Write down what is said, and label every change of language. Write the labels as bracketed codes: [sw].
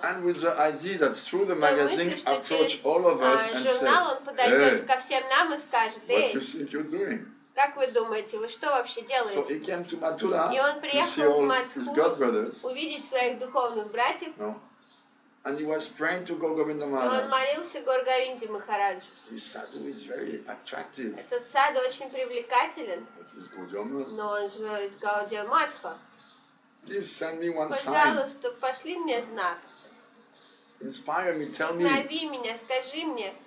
[en] And with the idea that through the magazine approach all of us and [ru] журнал [en] say, [ru] он подойдет ко всем нам и скажет, [en] what you think you're doing? [ru] Как вы думаете, вы что вообще делаете? [en] So he came to Mathura, [ru] и он приехал в Матхуру увидеть своих духовных братьев. [en] No. And he was praying to Gaur-Govinda Maharaj. [ru] Он молился Гор-Говинде Махараджу. [en] This sadhu is very attractive. [ru] Этот саду очень привлекателен. Но он же из Гаудия Матха. [en] Please send me one sign. [ru] Пожалуйста, пошли мне знак. [en] Inspire me, tell me. [ru] Вдохнови меня, скажи мне.